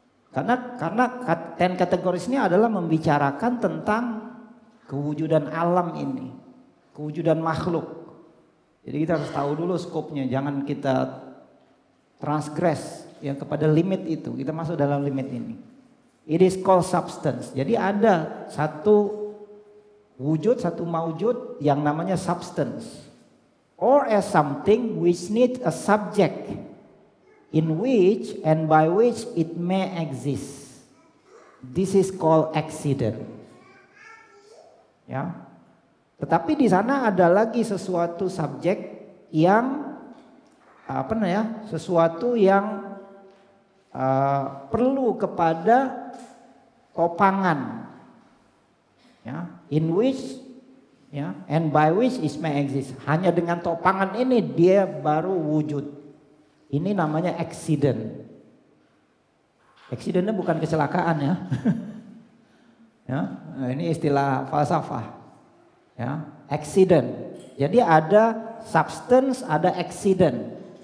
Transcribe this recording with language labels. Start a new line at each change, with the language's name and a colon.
Malay: Karena ten kategoris ini adalah membicarakan tentang kewujudan alam ini, kewujudan makhluk. Jadi kita harus tahu dulu skopnya, jangan kita transgress ya kepada limit itu. Kita masuk dalam limit ini.
English: It is called substance.
Malay: Jadi ada satu wujud, satu maujud yang namanya substance,
English: or as something which needs a subject in which and by which it may exist. This is called accident. Ya.
Malay: Tetapi di sana ada lagi sesuatu subject yang apa namanya? Sesuatu yang perlu kepada topangan.
English: Ya, in which ya, and by which it may exist.
Malay: Hanya dengan topangan ini dia baru wujud. Ini namanya accident. Accidentnya bukan kecelakaan ya. Ya, ini istilah falsafah. Ya, accident. Jadi ada substance, ada accident.